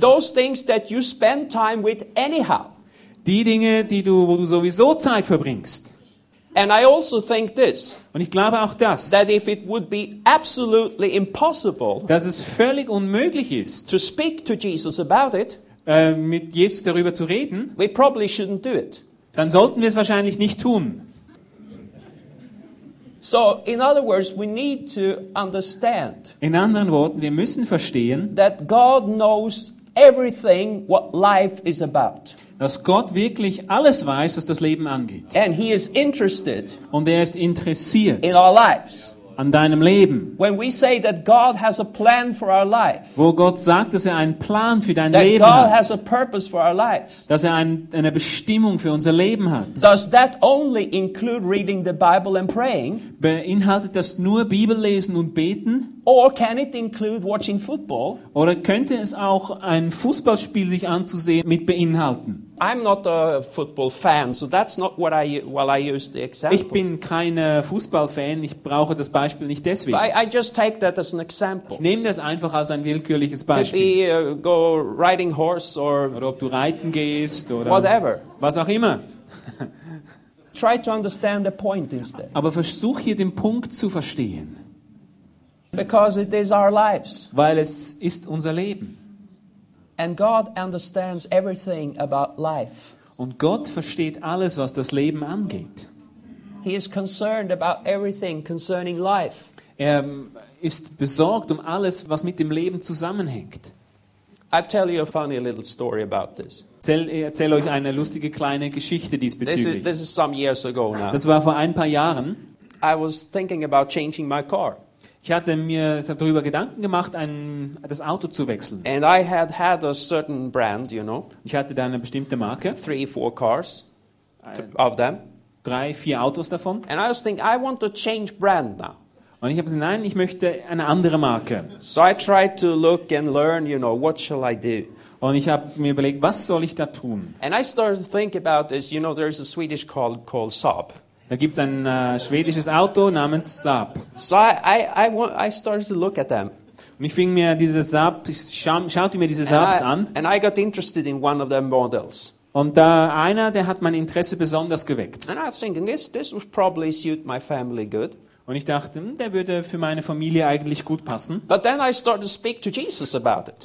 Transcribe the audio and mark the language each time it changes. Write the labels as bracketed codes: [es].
[en] Those things that you spend time with anyhow. [de] Die Dinge, die du, wo du sowieso Zeit verbringst. [en] And I also think this. [de] Und ich glaube auch das. [en] That if it would be absolutely impossible. [de] Dass es völlig unmöglich ist. [en] To speak to Jesus about it. [de] Mit Jesus darüber zu reden. [en] We probably shouldn't do it. [de] Dann sollten wir es wahrscheinlich nicht tun. [en] So, in other words, we need to understand. [de] In anderen Worten, wir müssen verstehen, [en] that God knows everything what life is about. [de] Dass Gott wirklich alles weiß, was das Leben angeht. [en] And he is interested. [de] Und er ist interessiert. [en] In our lives. [de] An deinem Leben. [en] When we say that God has a plan for our life. [de] Wo Gott sagt, dass er einen Plan für dein [en] that [de] Leben [en] God [de] hat. [en] God has a purpose for our lives. [de] Dass er eine Bestimmung für unser Leben hat. [en] Does that only include reading the Bible and praying? [de] Beinhaltet das nur Bibel lesen und beten? [en] Or can it include watching football? [de] Oder könnte es auch ein Fußballspiel sich anzusehen mit beinhalten? [en] I'm not a football fan, so that's not what I well I use the example. [de] Ich bin kein Fußballfan, ich brauche das Beispiel nicht deswegen. [en] I just take that as an example. [de] Ich nehme das einfach als ein willkürliches Beispiel. [en] Could be, go riding horse or [de] oder ob du reiten gehst oder [en] whatever. [de] Was auch immer. [en] Try to understand the point instead. [de] Aber versuch hier den Punkt zu verstehen. [en] Because it is our lives. [de] Weil es ist unser Leben. [en] And God understands everything about life. [de] Und Gott versteht alles, was das Leben angeht. [en] He is concerned about everything concerning life. [de] Er ist besorgt um alles, was mit dem Leben zusammenhängt. [en] I tell you a funny little story about this. [de] Erzähl euch eine lustige kleine Geschichte diesbezüglich. [en] This is some years ago now. [de] Das war vor ein paar Jahren. [en] I was thinking about changing my car. [de] Ich hatte mir darüber Gedanken gemacht, das Auto zu wechseln. [en] And I had a certain brand, you know. [de] Ich hatte da eine bestimmte Marke. [en] 3-4 cars of them. [de] 3-4 Autos davon. [en] And I was thinking, I want to change brand now. [de] Und ich habe gesagt, nein, ich möchte eine andere Marke. [en] So I tried to look and learn, you know, what shall I do? [de] Und ich habe mir überlegt, was soll ich da tun? [en] And I started to think about this, you know, there's a Swedish called Saab. [de] Da gibt's ein schwedisches Auto namens Saab. [en] So I started to look at them. [de] Und ich fing mir diese Saab, schaute mir diese Saabs an. [en] And I got interested in one of their models. [de] Und da einer, der hat mein Interesse besonders geweckt. [en] And I was thinking, this would probably suit my family good. [de] Und ich dachte, der würde für meine Familie eigentlich gut passen. [en] But then I started to speak to Jesus about it.